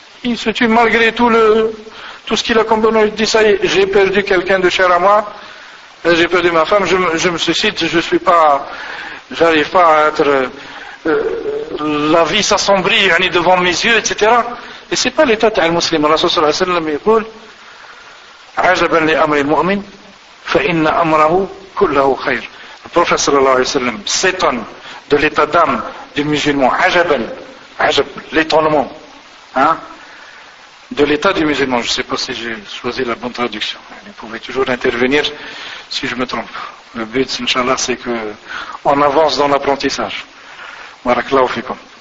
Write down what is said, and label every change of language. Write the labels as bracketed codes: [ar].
[fr] il se tue malgré tout ce qu'il a comme bonheur. Il dit, ça y est, j'ai perdu quelqu'un de cher à moi, j'ai perdu ma femme, je me suicide, j'arrive pas à être, la vie s'assombrit, il y en a devant mes yeux, etc. Et c'est pas l'état d'un musulman. [ar] Rasoul sallallahu alayhi wa sallam, [fr] il dit, [ar] عجباً لأمر المؤمن فإن أمره كله خير. [fr] Le prophète sallallahu alayhi wa sallam s'étonne de l'état d'âme du musulman. [ar] عجباً, عجب, [fr] l'étonnement, hein, de l'état du musulman. Je ne sais pas si j'ai choisi la bonne traduction. Vous pouvez toujours intervenir si je me trompe. Le but, inshallah, c'est que on avance dans l'apprentissage. Barakallahu fikum.